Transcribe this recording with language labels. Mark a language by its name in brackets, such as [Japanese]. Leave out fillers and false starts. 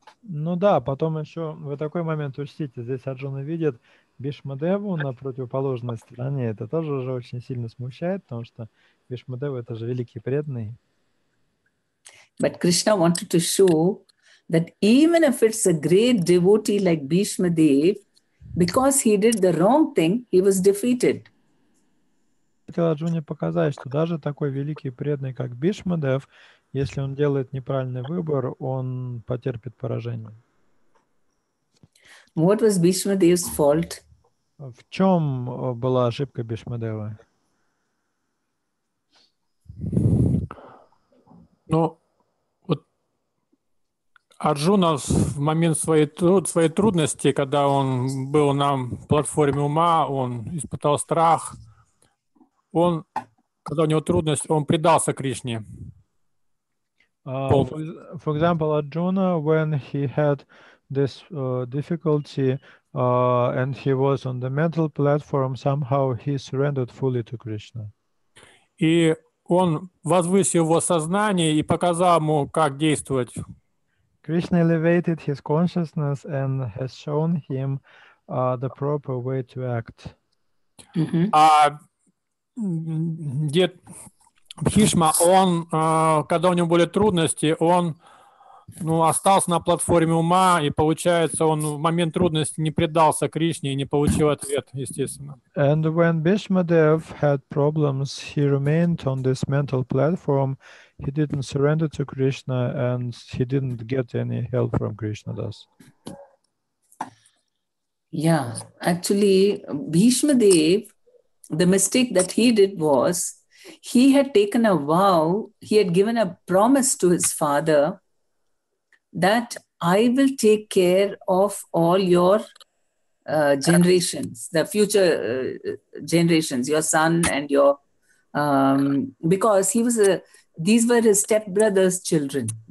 [Russian] Ну да, потом еще в такой момент учтите, здесь Арджуна видит Бхишма Деву на противоположной стороне. Это тоже уже очень сильно смущает, потому что Бхишма Дева это же великий преданный. [English] But Krishna wanted to show that even if it's a great devotee like Bhishma Dev, because he did the wrong thing, he was defeated. [Russian] Хотел Арджуне показать, что даже такой великий преданный, как Бхишма Дев, если он делает неправильный выбор, он потерпит поражение. [English] What was Bhishma Dev's fault? [Russian] В чем была ошибка Бхишма Дева? Ну, Арджуна в момент своей трудности, когда он был на платформе ума, он испытал страх. Он, когда у него трудность, он предался Кришне. [English] For example, Arjuna, when he had this difficulty and he was on the mental platform, somehow he surrendered fully to Krishna. [Russian] И он возвысил его сознание и показал ему, как действовать. [English] Krishna elevated his consciousness and has shown him the proper way to act. [Russian] Дед Бхишма, он, когда у него были трудности, он ну, остался на платформе ума, и получается, он в момент трудности не предался Кришне и не получил ответ, естественно. [English] And when Bhishma Dev had problems, he remained on this mental platform. He didn't surrender to Krishna, and he didn't get any help from Krishna thus. Yeah, actually, Bhishma Dev, the mistake that he did was, he had taken a vow, he had given a promise to his father that I will take care of all your generations, the future generations, your son and your, because he was a, these were his stepbrother's children.